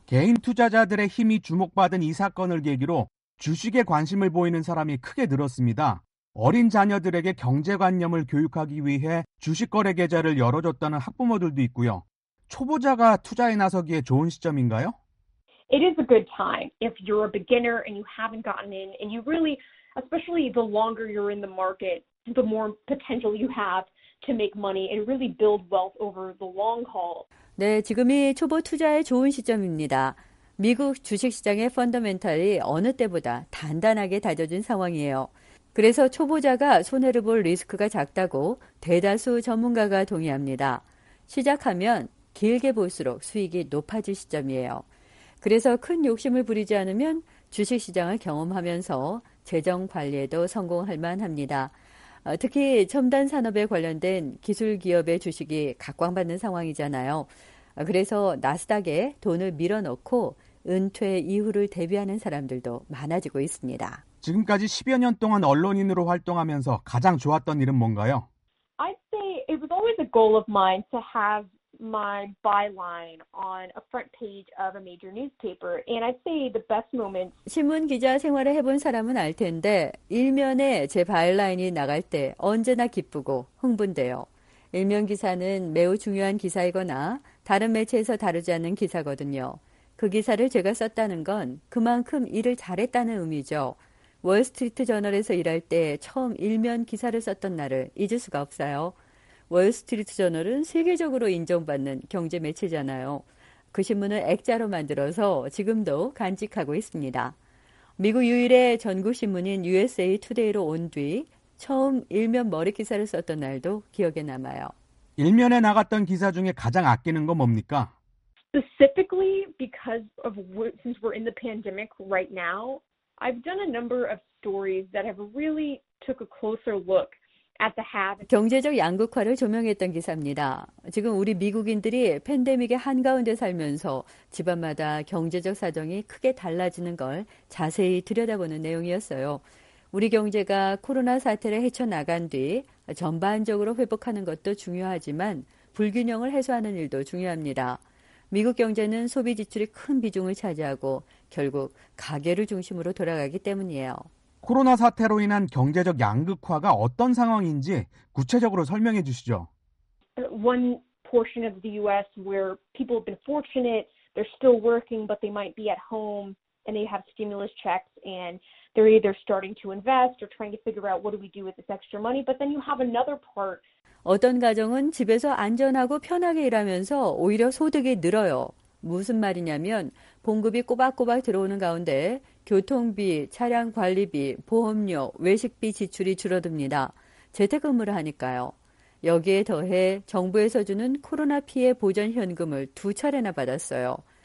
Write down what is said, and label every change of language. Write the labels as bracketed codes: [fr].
[ko] 개인 투자자들의 힘이 주목받은 이 사건을 계기로 주식에 관심을 보이는 사람이 크게 늘었습니다. 어린 자녀들에게 경제관념을 교육하기 위해 주식거래 계좌를 열어줬다는 학부모들도 있고요. 초보자가 투자에 나서기에 좋은 시점인가요? [en] It is a good time if you're a beginner and you haven't gotten in and you really, especially the longer you're in the market, the more potential you have to make money and really build wealth over the long haul. [ko] 네, 지금이 초보 투자에 좋은 시점입니다. 미국 주식시장의 펀더멘탈이 어느 때보다 단단하게 다져진 상황이에요. 그래서 초보자가 손해를 볼 리스크가 작다고 대다수 전문가가 동의합니다. 시작하면 길게 볼수록 수익이 높아질 시점이에요. 그래서 큰 욕심을 부리지 않으면 주식시장을 경험하면서 재정 관리에도 성공할 만합니다. 특히 첨단 산업에 관련된 기술 기업의 주식이 각광받는 상황이잖아요. 그래서 나스닥에 돈을 밀어넣고 은퇴 이후를 대비하는 사람들도 많아지고 있습니다. 지금까지 10여 년 동안 언론인으로 활동하면서 가장 좋았던 일은 뭔가요? [en] I'd say it was always a goal of mine to have my byline on a front page of a major newspaper. And I'd say the best moment. [ko] 신문 기자 생활을 해본 사람은 알 텐데 일면에 제 바일라인이 나갈 때 언제나 기쁘고 흥분돼요. 일면 기사는 매우 중요한 기사이거나 다른 매체에서 다루지 않는 기사거든요. 그 기사를 제가 썼다는 건 그만큼 일을 잘했다는 의미죠. 월스트리트 저널에서 일할 때 처음 일면 기사를 썼던 날을 잊을 수가 없어요. 월스트리트 저널은 세계적으로 인정받는 경제 매체잖아요. 그 신문을 액자로 만들어서 지금도 간직하고 있습니다. 미국 유일의 전국 신문인 USA Today로 온 뒤 처음 일면 머리 기사를 썼던 날도 기억에 남아요. 일면에 나갔던 기사 중에 가장 아끼는 건 뭡니까? [en] Specifically because of since we're in the pandemic right now, I've done a number of stories that have really took a closer look at the have. [ko] 경제적 양극화를 조명했던 기사입니다. 지금 우리 미국인들이 팬데믹의 한가운데 살면서 집안마다 경제적 사정이 크게 달라지는 걸 자세히 들여다보는 내용이었어요. 우리 경제가 코로나 사태를 헤쳐나간 뒤 전반적으로 회복하는 것도 중요하지만 불균형을 해소하는 일도 중요합니다. 미국 경제는 소비 지출이 큰 비중을 차지하고 결국 가계를 중심으로 돌아가기 때문이에요. 코로나 사태로 인한 경제적 양극화가 어떤 상황인지 구체적으로 설명해 주시죠. [en] One portion of the U.S. where people have been fortunate, they're still working, but they might be at home and they have stimulus checks and they're either starting to invest or trying to figure out what do we do with this extra money. But then you have another part. [ko] 어떤 가정은 집에서 안전하고 편하게 일하면서 오히려 소득이 늘어요. 무슨 말이냐면 봉급이 꼬박꼬박 들어오는 가운데 교통비, 차량 관리비, 보험료, 외식비 지출이 줄어듭니다. 재택근무를 하니까요. 여기에 더해 정부에서 주는 코로나 피해 보전 현금을 두 차례나 받았어요.